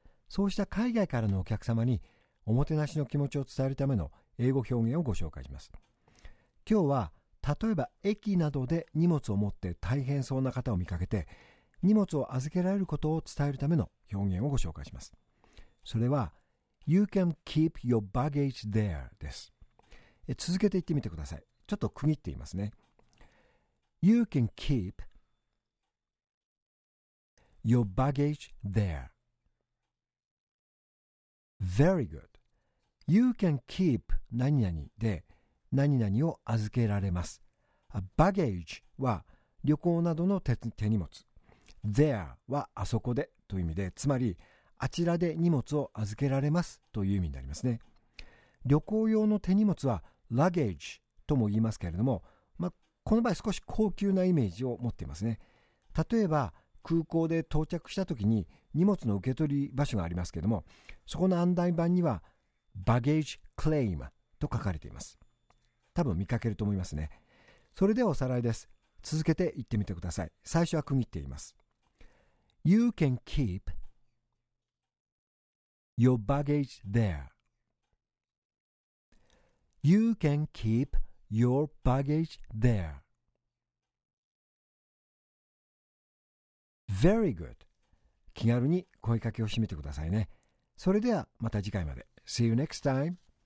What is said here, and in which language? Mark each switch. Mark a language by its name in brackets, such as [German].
[Japanese] そうした海外からのお客様におもてなしの気持ちを伝えるための英語表現をご紹介します。今日は例えば駅などで荷物を持って大変そうな方を見かけて荷物を預けられることを伝えるための表現をご紹介します。それは [English] You can keep your baggage there [Japanese] です。続けて言ってみてください。ちょっと区切って言いますね。 [English] You can keep your baggage there. Very good. You can keep [Japanese] 何々で何々を預けられます。 [English] A baggage [Japanese] は旅行などの手荷物。 There はあそこでという意味で、つまりあちらで荷物を預けられますという意味になりますね。旅行用の手荷物はラゲージとも言いますけれども、この場合少し高級なイメージを持っていますね。例えば空港で到着した時に荷物の受け取り場所がありますけれども、そこの案内板にはバゲージクレームと書かれています。多分見かけると思いますね。それではおさらいです。続けて言ってみてください。最初は区切っています。 [English] You can keepYour baggage there. You can keep your baggage there. Very good. [Japanese] 気軽に声かけをしてみてくださいね。それではまた次回まで。 [English] See you next time.